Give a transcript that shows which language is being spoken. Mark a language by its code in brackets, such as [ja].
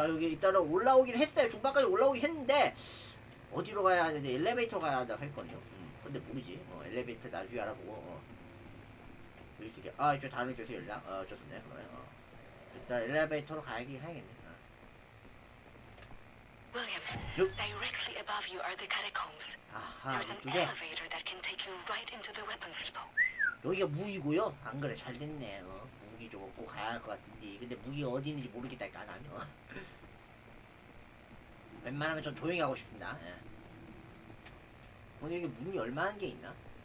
[ko] 자, 여기 이따가 올라오긴 했어요. 중반까지 올라오긴 했는데 어디로 가야 하는데 엘리베이터 가야 한다고 했거든요. 근데 모르지. 엘리베이터 나중에 알아보고. 아, 저 다음에 주세요, 연락. 좋습니다. 그러면, 일단 엘리베이터로 가야긴 해야겠네. [en] William, directly above you are the catacombs. [ko] 아하, 이쪽에. [en] Elevator that can take you right into the weapons depot. [ko] 여기가 무기고요? 안 그래, 잘 됐네. 무기 좀 없고 가야 할 것 같은데. 근데 무기가 어디 있는지 모르겠다니까, 나는. 웬만하면 전 조용히 하고 싶습니다. 예. 근데 여기 문이 얼마나 게 있나?